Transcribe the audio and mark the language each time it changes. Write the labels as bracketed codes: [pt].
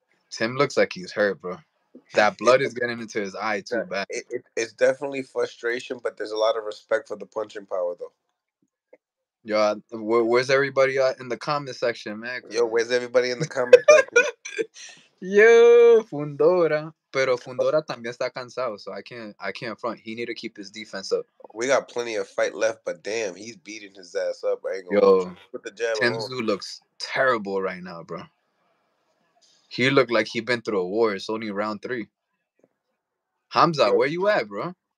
[en] Tim looks like he's hurt, bro. That blood is getting into his eye too bad. It's definitely frustration, but there's a lot of respect for the punching power, though. Yo, where's everybody in the comment section, man? Yo, where's everybody in the comment section? Yo, Fundora. [es] Pero Fundora también está cansado, [en] so I can't front. He need to keep his defense up. We got plenty of fight left, but damn, he's beating his ass up. I ain't yo, put the jab Tim Tszyu looks terrible right now, bro. He looked like he been through a war. It's only round 3. Hamza, where you at, bro?